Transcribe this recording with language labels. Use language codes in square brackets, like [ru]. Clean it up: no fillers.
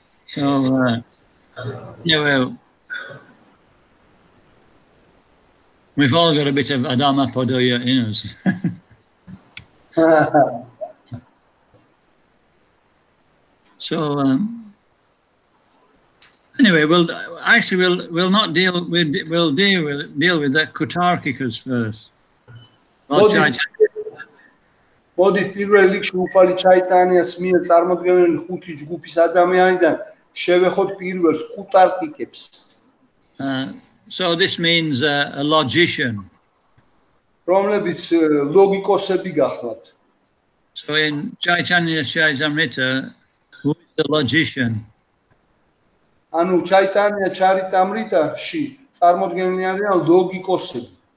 [en] So, we've all got a bit of Adharma Paduya in us. So, anyway, we'll deal with the Kutarkikas first. [ka] Modi პირველ რიგში უფალი ჩაიტანიას მიერ წარმოდგენილი ხუთი ჯგუფის ადამიანიდან შევეხოთ პირველს Kutarkikებს. [en] So this means a logician. [ka] რომლებიც ლოგიკოსები გახლავთ. [en] So in Chaitanya Charitamrita, who is the logician? [ka] ანუ ჩაიტანია ჩარიტამრიტაში წარმოდგენილი არის ლოგიკოსები.